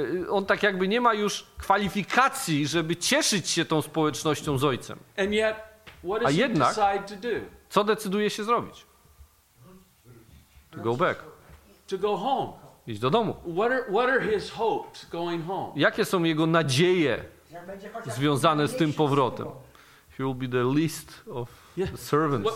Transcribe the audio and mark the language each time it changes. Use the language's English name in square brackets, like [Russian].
[Polish] On tak jakby nie ma już kwalifikacji, żeby cieszyć się tą społecznością z ojcem. A jednak, co decyduje się zrobić? [English] To go back. To go home. [Polish] Iść do domu. [English] What are his hopes going home? [Polish] Jakie są jego nadzieje związane z tym powrotem? [English] He will be the least of the servants.